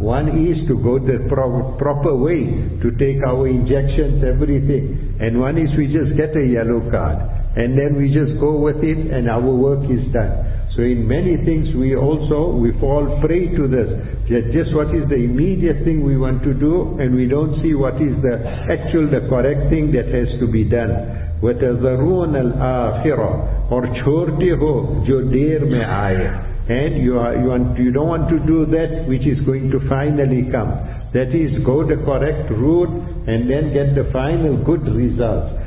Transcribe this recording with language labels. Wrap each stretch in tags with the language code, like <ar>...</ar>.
<en>One is to go the proper way, to take our injections, everything, and one is we just get a yellow card, and then we just go with it, and our work is done. So in many things we fall prey to this, that just what is the immediate thing we want to do, and we don't see what is the actual, the correct thing that has to be done.</en> <ar>وَتَذَرُونَ الْآخِرَةَ</ar> <ur>اور چھوڑتے ہو جو دیر میں آئے.</ur> <en>And you don't want to do that which is going to finally come. That is, go the correct route and then get the final good results.</en>